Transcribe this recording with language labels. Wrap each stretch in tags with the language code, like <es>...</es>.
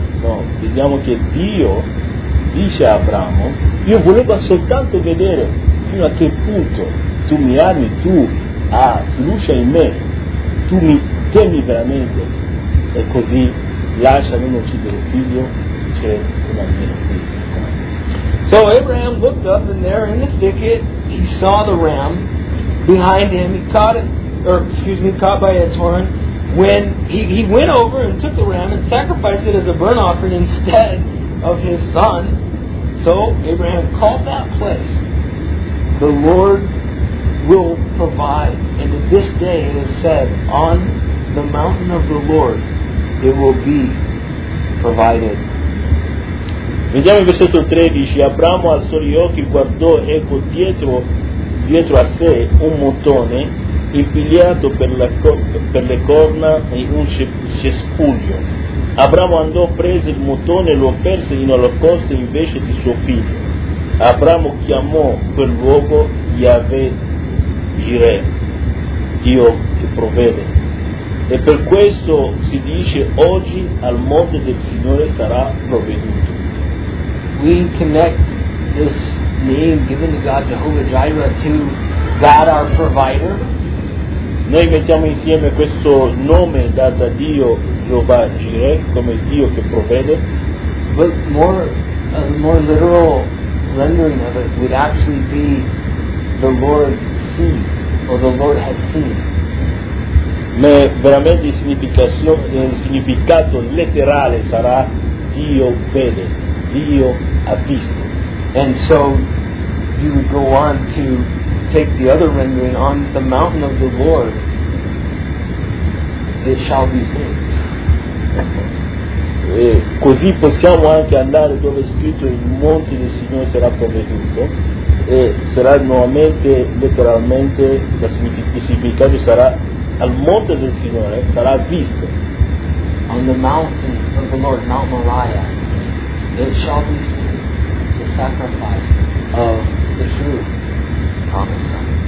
<it>No, vediamo che Dio dice a Abramo, io volevo soltanto vedere fino a che punto tu mi ami, tu hai fiducia in me, tu mi temi veramente, e così lascia non uccidere il figlio, c'è una mia figlia.</it> <en>So Abraham looked up, and there in the thicket he saw the ram behind him. He caught it, caught by its horns. When he went over and took the ram and sacrificed it as a burnt offering instead of his son. So Abraham called that place, the Lord will provide. And to this day it is said, on the mountain of the Lord it will be provided.</en> <it>Vediamo il versetto 13. Abramo alzò gli occhi, guardò, ecco dietro a sé un mottone impigliato per le corna e un cespuglio. Abramo andò, prese il mottone e lo perse in olocausto invece di suo figlio. Abramo chiamò quel luogo Yahweh Jireh, Dio che provvede. E per questo si dice, oggi al monte del Signore sarà provveduto.</it> <en>We connect this name given to God, Jehovah Jireh, to God our provider.</en> <it>Noi mettiamo insieme questo nome dato a Dio, Jehovah Jireh, come Dio che provvede.</it> <en>But more literal rendering of it would actually be the Lord sees, or the Lord has seen.</en> <it>Ma veramente il significato letterale sarà Dio vede, Dio ha visto.</it> <en>And so you would go on to take the other rendering, on the mountain of the Lord it shall be seen.</en> <it>E così possiamo anche andare dove è scritto il monte del Signore sarà provveduto, e sarà nuovamente letteralmente il significato sarà al monte del Signore sarà visto.</it> <en>On the mountain of the Lord, Mount Moriah, it shall be seen, the sacrifice of the true promised Son.</en>